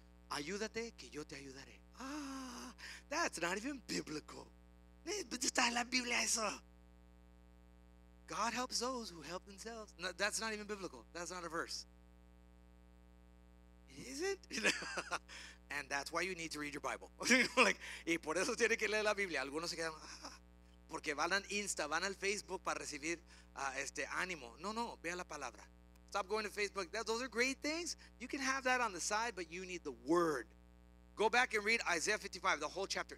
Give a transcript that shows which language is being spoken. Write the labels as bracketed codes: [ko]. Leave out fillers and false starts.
[es] Ayúdate que yo te ayudaré. [en] That's not even biblical. [es] Está en la Biblia eso. [en] God helps those who help themselves. No, that's not even biblical. That's not a verse. Is it? And that's why you need to read your Bible. [es] Like, y por eso tiene que leer la Biblia. Algunos se quedan, porque van al Insta, van al Facebook para recibir ánimo. No, vea la palabra. [en] Stop going to Facebook. Those are great things. You can have that on the side, but you need the word. Go back and read Isaiah 55, the whole chapter.